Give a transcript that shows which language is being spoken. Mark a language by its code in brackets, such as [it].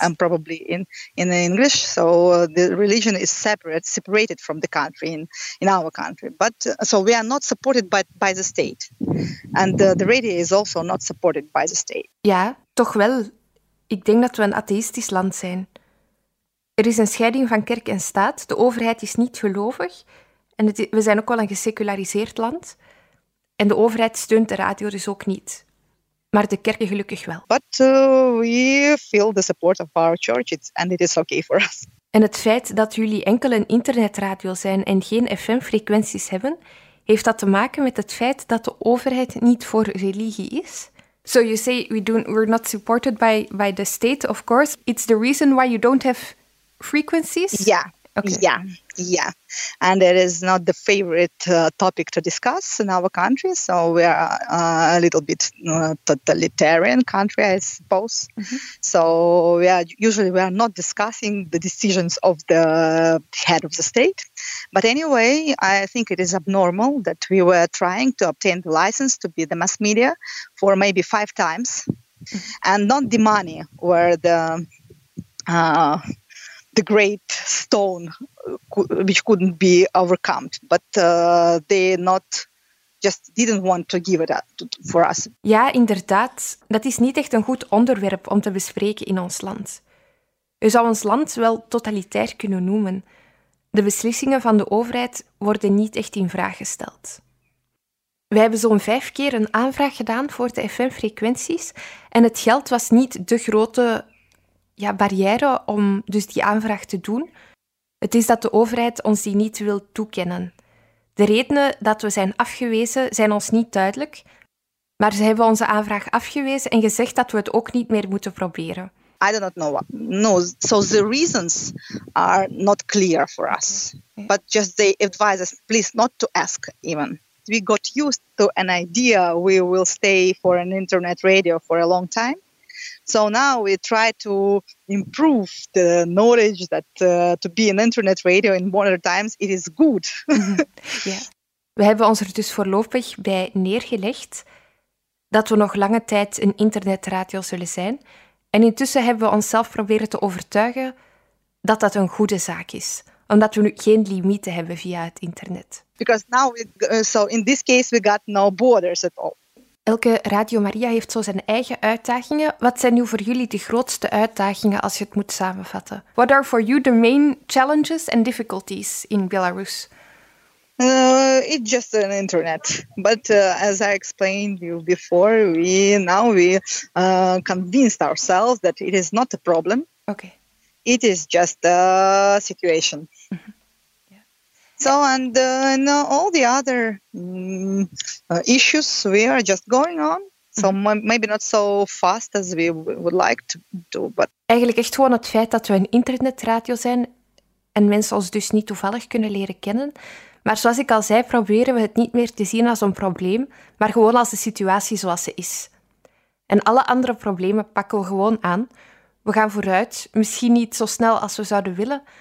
[en] And probably in English, so the religion is separated from the country in our country. But so we are not supported by the state, and the radio is also not supported by the state. [nl] Ja, toch wel. Ik denk dat we een atheïstisch land zijn. Er is een scheiding van kerk en staat. De overheid is niet gelovig, en we zijn ook wel een geseculariseerd land. En de overheid steunt de radio dus ook niet. Maar de kerken gelukkig wel. [en] But we feel the support of our church, and it is okay for us. [nl] En het feit dat jullie enkel een internetradio zijn en geen FM-frequenties hebben, heeft dat te maken met het feit dat de overheid niet voor religie is? [en] So you say we're not supported by the state, of course. It's the reason why you don't have frequencies? Yeah. Okay. Yeah, yeah. And it is not the favorite topic to discuss in our country. So we are a little bit totalitarian country, I suppose. Mm-hmm. So we are not discussing the decisions of the head of the state. But anyway, I think it is abnormal that we were trying to obtain the license to be the mass media for maybe 5 times. Mm-hmm. And not the money where the great stone which couldn't be overcome, but they not just didn't want to give it for us. [nl] Ja, inderdaad. Dat is niet echt een goed onderwerp om te bespreken in ons land. Je zou ons land wel totalitair kunnen noemen. De beslissingen van de overheid worden niet echt in vraag gesteld. We hebben zo'n 5 keer een aanvraag gedaan voor de FM-frequenties en het geld was niet de grote... Ja, barrière om dus die aanvraag te doen. Het is dat de overheid ons die niet wil toekennen. De redenen dat we zijn afgewezen zijn ons niet duidelijk, maar ze hebben onze aanvraag afgewezen en gezegd dat we het ook niet meer moeten proberen. [en] I do not know what. No, so the reasons are not clear for us. But just they advise us, please not to ask even. We got used to an idea we will stay for an internet radio for a long time. So now we try to improve the knowledge that to be an internet radio in modern times, it is good. [nl] Ja. We hebben ons er dus voorlopig bij neergelegd dat we nog lange tijd een internetradio zullen zijn. En intussen hebben we onszelf proberen te overtuigen dat dat een goede zaak is. Omdat we nu geen limieten hebben via het internet. [en] Because now, so in this case we got no borders at all. [nl] Elke Radio Maria heeft zo zijn eigen uitdagingen. Wat zijn nu voor jullie de grootste uitdagingen als je het moet samenvatten? [en] What are for you the main challenges and difficulties in Belarus? It's just an internet. But as I explained you before, we convinced ourselves that it is not a problem. Okay. It is just a situation. So, and in all the other issues, we are just going on. So, maybe not so fast as we would like to do, but... [nl] Eigenlijk echt gewoon het feit dat we een internetradio zijn en mensen ons dus niet toevallig kunnen leren kennen. Maar zoals ik al zei, proberen we het niet meer te zien als een probleem, maar gewoon als de situatie zoals ze is. En alle andere problemen pakken we gewoon aan. We gaan vooruit, misschien niet zo snel als we zouden willen...